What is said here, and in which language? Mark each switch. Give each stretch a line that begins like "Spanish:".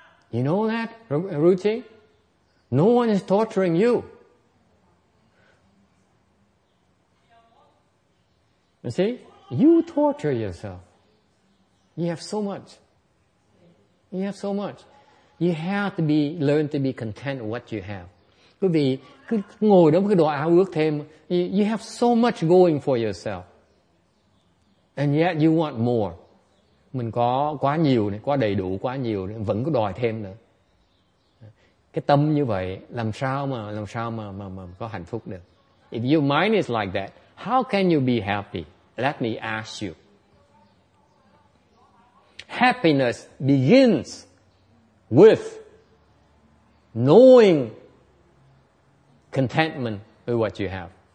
English: You know that, Ruchi? No one is torturing you. You see? You torture yourself. You have so much. You have so much. You have to be learn to be content with what you have.
Vietnamese: Quý vị cứ ngồi đó cái đồ áo ước thêm.
English: You have so much going for yourself. And yet you want more.
Vietnamese: Mình có quá nhiều, quá đầy đủ, quá nhiều, vẫn cứ đòi thêm nữa. Cái tâm như vậy, làm sao mà có hạnh phúc được.
English: If your mind is like that, how can you be happy? Let me ask you. Happiness begins with knowing contentment with what you have.